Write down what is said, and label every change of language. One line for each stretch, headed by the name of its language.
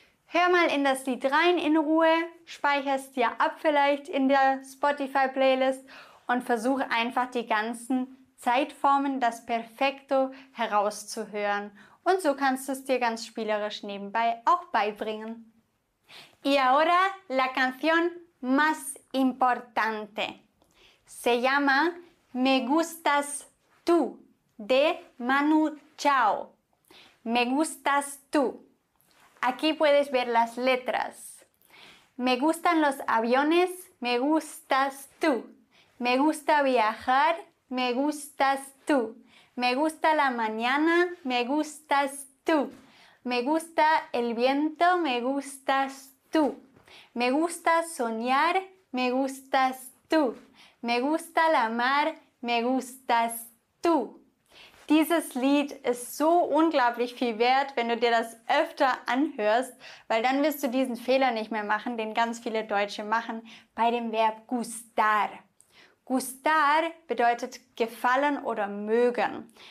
German: Hör mal in das Lied rein in Ruhe, speicher es dir ab vielleicht in der Spotify-Playlist und versuche einfach die ganzen Zeitformen, das Perfekto, herauszuhören. Und so kannst du es dir ganz spielerisch nebenbei auch beibringen.
Spanish: Y ahora la canción más importante. Se llama Me gustas tú, de Manu Chao. Me gustas tú. Aquí puedes ver las letras. Me gustan los aviones, me gustas tú. Me gusta viajar, me gustas tú. Me gusta la mañana, me gustas tú. Me gusta el viento, me gustas tú. Me gusta soñar, me gustas tú. Me gusta la mar, me gustas tú.
German: Dieses Lied ist so unglaublich viel wert, wenn du dir das öfter anhörst, weil dann wirst du diesen Fehler nicht mehr machen, den ganz viele Deutsche machen, bei dem Verb gustar. Gustar bedeutet gefallen oder mögen.